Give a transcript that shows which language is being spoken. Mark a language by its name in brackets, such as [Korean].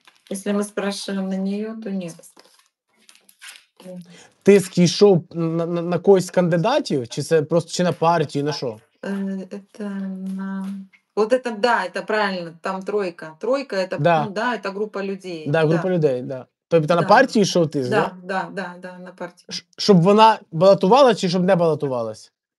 [Russian] Если мы спрашиваем на нее, то нет. [Ukrainian] Тиск йшов на когось з кандидатів, чи це просто чи на партію, на що? [Russian] Это на... Вот это да, это правильно, там тройка. Тройка это, да. Ну, да, это группа людей. Да, группа людей, да. [Ukrainian] Тобто на партію йшов тиск, да? Да, на партію. Щоб вона балотувалась чи щоб не балотувалась?